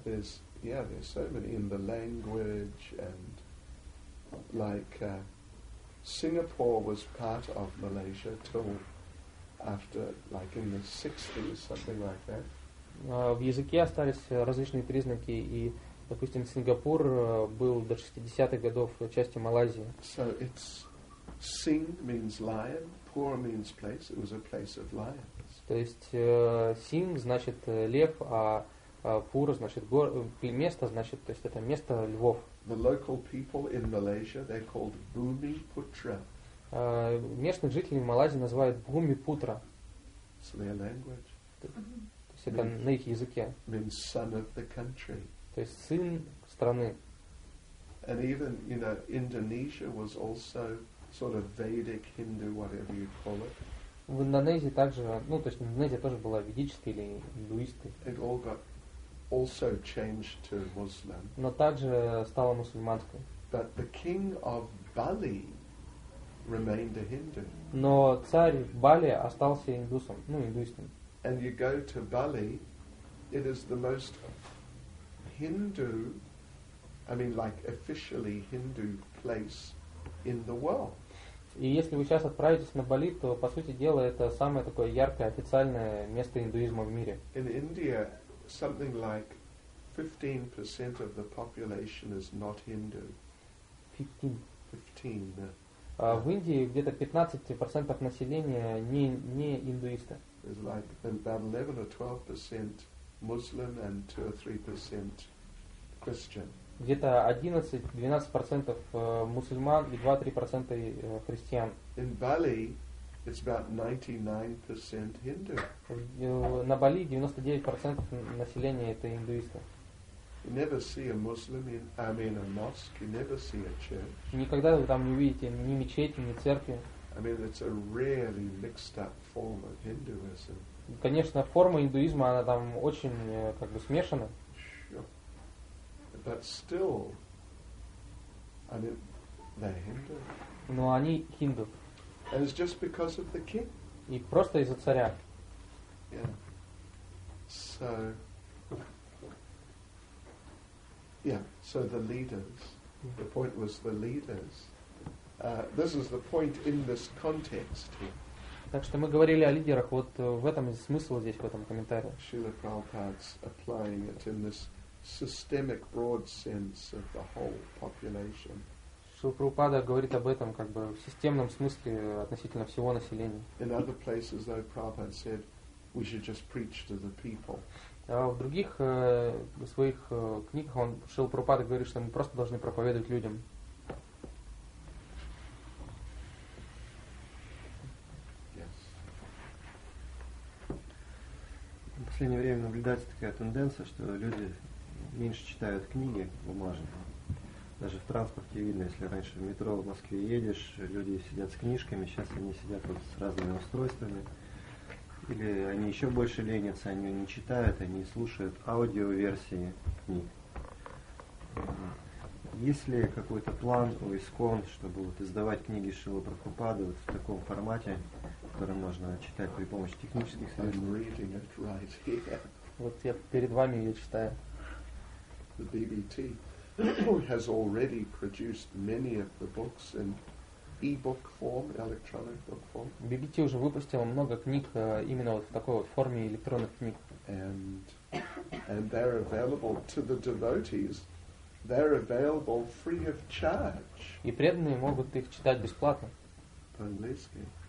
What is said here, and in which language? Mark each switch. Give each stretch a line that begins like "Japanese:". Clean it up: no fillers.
English: There's, yeah, there's so many in the language and like Singapore was part of Malaysia till after, like in the 60s, something like that.
Russian: В языке остались различные признаки, и, допустим, Сингапур был до 60-х годов частью Малайзии.
English: So it's Sing means lion, Pur means place. It was a place of lions.
Russian: То есть Sing значит лев, а Pur значит место, значит, то есть это место львов.
English: The local people in Malaysia, they're called Bumiputra.
Russian: Местных жителей Малайзии называют Бумипутра.
English: It's their language.
Russian: То есть это на их языке.
English: Means son of the country.
Russian: То есть сын страны.
English: And even, you know, Indonesia was also sort of Vedic, Hindu, whatever you call it.
Russian: В Индонезии также, ну, то есть Индонезия тоже была ведической или индуистской.
English: It all got also changed to Muslim.
Russian: Но также стала мусульманской.
English: But the king of Bali remained a Hindu.
Russian: Но царь Бали остался индусом, ну, индуистом.
English: And you go to Bali, it is the most Hindu, I mean, like, officially Hindu place in the world.
Russian: И если вы сейчас отправитесь на Бали, то, по сути дела, это самое такое яркое официальное место индуизма в мире.
English: In India, something like 15% of the population is not Hindu. 15.
Russian: В Индии где-то 15% населения не индуисты.
English: It's like about 11 or 12% Muslim and 2 or 3% Christian.
Russian: Где-то 11-12% мусульман и 2-3% христиан.
English: In Bali, it's about 99% Hindu.
Russian: На Бали 99% населения это индуисты.
English: You never see a Muslim in, I mean, a mosque. You never see a church.
Russian: Никогда вы там не увидите ни мечети, ни церкви.
English: I mean, it's a really mixed-up form of Hinduism.
Russian: Конечно, форма индуизма она там очень как бы смешана.
English: Sure. But still, I mean, they're Hindu.
Russian: Но они хинду.
English: And it's just because of the king.
Russian: И просто из-за царя.
English: Yeah. So, Yeah, so the leaders. The point was the leaders. This is the point in this context.
Russian: Так что мы говорили о лидерах вот в этом смысл здесь, в этом комментарии.
English: Srila Prabhupada's applying it in this systemic broad sense of the whole population.
Russian: Srila Prabhupada говорит об этом как бы в системном смысле относительно всего населения.
English: In other places, though, Prabhupada said we should just preach to the people.
Russian: А в других своих книгах он, Шрила Прабхупада, говорит, что мы просто должны проповедовать людям.
English: Yes.
Russian: В последнее время наблюдается такая тенденция, что люди меньше читают книги бумажные. Даже в транспорте видно, если раньше в метро в Москве едешь, люди сидят с книжками, сейчас они сидят вот с разными устройствами. Или они еще больше ленятся, они не читают, они слушают аудиоверсии книг. Есть ли какой-то план у ИСККОН, чтобы вот издавать книги Шрилы Прабхупады вот в таком формате, который можно читать при помощи технических средств?
English: Right, yeah.
Russian: Вот я перед вами ее читаю.
English: The BBT has already produced many of the books in e-book form, electronic book form.
Russian: BBT уже выпустила много книг именно вот в такой вот форме электронных книг.
English: And they're available to the devotees. They're available free of charge.
Russian: И преданные могут их читать бесплатно. По-английски.